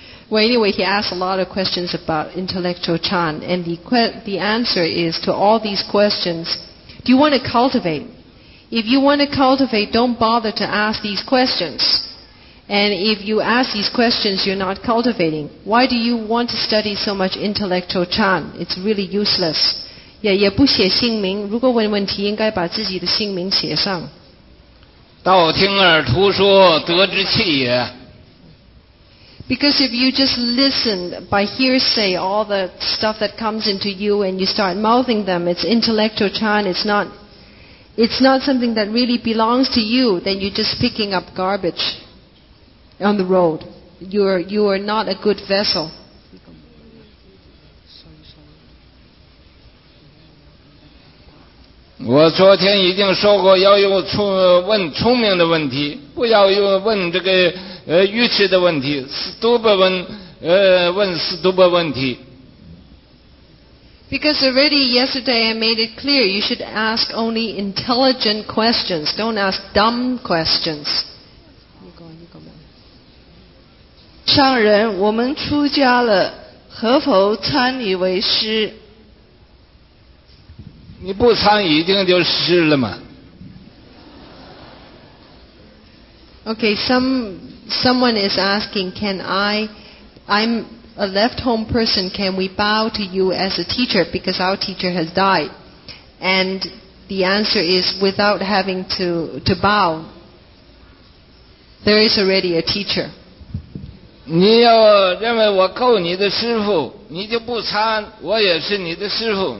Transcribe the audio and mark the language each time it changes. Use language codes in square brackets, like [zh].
[en] Well, anyway, he asked a lot of questions about intellectual chan, and the answer is to all these questions, do you want to cultivate? If you want to cultivate, don't bother to ask these questions. And if you ask these questions, you're not cultivating. Why do you want to study so much intellectual chan? It's really useless. Yeah, 也不写姓名。 [zh] 如果问问题，应该把自己的姓名写上。道听而徒说，得之气也。 [en] Because if you just listen by hearsay, all the stuff that comes into you and you start mouthing them, it's intellectual chan, it's not something that really belongs to you, then you're just picking up garbage on the road. You are not a good vessel. [zh] I 昨天已经说过要用问聪明的问题，不要用问这个愚痴的问题 , [en] stupid [zh] 问 stupid 问题。 [en] Because already yesterday I made it clear you should ask only intelligent questions. Don't ask dumb questions. [zh] 上人，我们出家了，何否参你为师？你不参已经就是师了吗？ [en] Okay, someone is asking, I'm a left home person, can we bow to you as a teacher because our teacher has died? And the answer is without having to bow, there is already a teacher. [zh] 你要认为我够你的师父，你就不参，我也是你的师父。